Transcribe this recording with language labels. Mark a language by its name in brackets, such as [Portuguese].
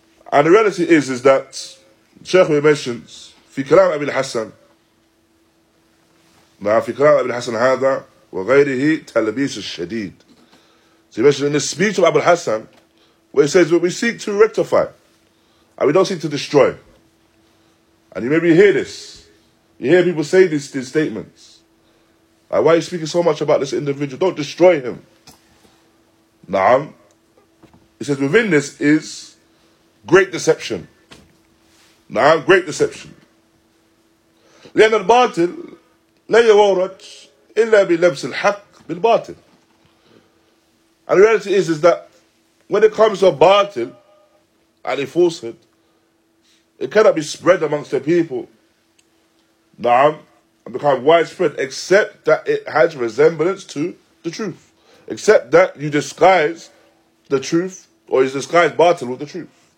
[English] And the reality is that Sheikh mentions, [Arabic] في كلام أبي الحسن ما في كلام أبي الحسن هذا وغيره تلبيس الشديد. [English] So he mentioned in the speech of Abu al-Hassan, where he says, well, we seek to rectify, and we don't seek to destroy. And you maybe hear this. You hear people say these statements. Like, why are you speaking so much about this individual? Don't destroy him. Naam. He says, within this is great deception. Naam, great deception. [Arabic] لأن الباطل لا يورج إلا بلبس الحق بالباطل. [English] And the reality is that when it comes to batil and a falsehood, it cannot be spread amongst the people, naam, and become widespread, except that it has resemblance to the truth. Except that you disguise the truth, or you disguise batil with the truth.